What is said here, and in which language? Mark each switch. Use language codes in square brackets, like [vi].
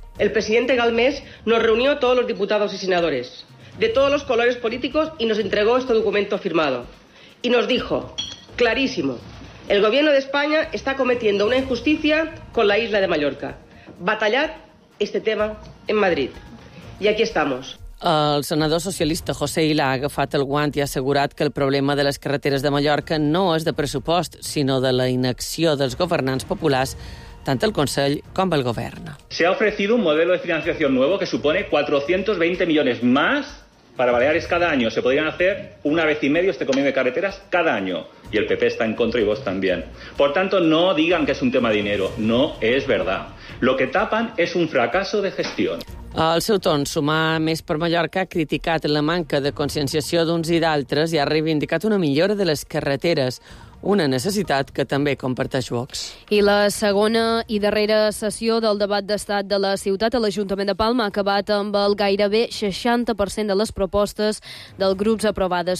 [es] El presidente Galmés nos reunió a todos los diputados y senadores de todos los colores políticos y nos entregó este documento firmado. Y nos dijo, clarísimo, el gobierno de España está cometiendo una injusticia con la isla de Mallorca. Batallad este tema en Madrid. Y aquí estamos. [ca] El senador socialista José Ilà ha agafat el guant i ha assegurat que el problema de les carreteres de Mallorca no és de pressupost, sinó de la inacció dels governants populars, tant el Consell com el govern. [es] Se ha ofrecido un modelo de financiación nuevo que supone 420 millones más para Baleares cada año. Se podrían hacer una vez y medio este convenio de carreteras cada año. Y el PP está en contra y vos también. Por tanto, no digan que es un tema de dinero. No es verdad. Lo que tapan es un fracaso de gestión. [ca] Al seu torn, Sumar Més per Mallorca ha criticat la manca de conscienciació d'uns i d'altres i ha reivindicat una millora de les carreteres, una necessitat que també comparteix Vox. I la segona i darrera sessió del debat d'estat de la ciutat a l'Ajuntament de Palma ha acabat amb el gairebé 60% de les propostes dels grups aprovades.